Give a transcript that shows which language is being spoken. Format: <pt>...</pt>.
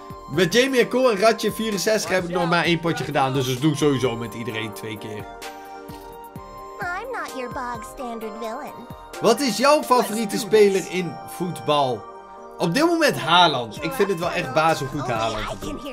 <nl>Met Jamie en Cole en Ratje 64 heb ik nog maar één potje gedaan. Dus doe ik sowieso met iedereen twee keer.</nl> <en>I'm not your bog standard villain.</en> <nl>Wat is jouw favoriete speler in voetbal? Op dit moment Haaland. Ik vind het wel echt bazengoed Haaland.</nl>